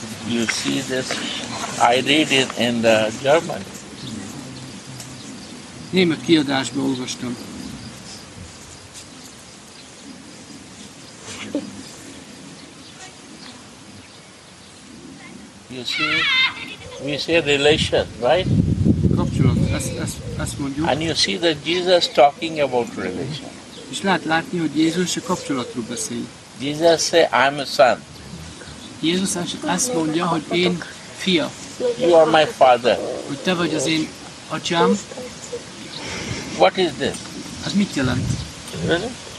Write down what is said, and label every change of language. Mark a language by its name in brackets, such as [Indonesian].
[English] You see this, I read it in the German. [Hungarian] Német kiadásban olvastam. [English] You see, we say relation, right? [Hungarian] Kapcsolat, ezt mondjuk. [English] And you see that Jesus talking about relation. [Hungarian] És lehet látni, hogy Jézus a kapcsolatról beszél. [English] Jesus say, I'm a son. [Hungarian] Jézus azt mondja, hogy én fia. [English] You are my father. [Hungarian] Hogy te vagy az én atyám. [English] What is this? [Hungarian] Ez mit jelent? [English] Really?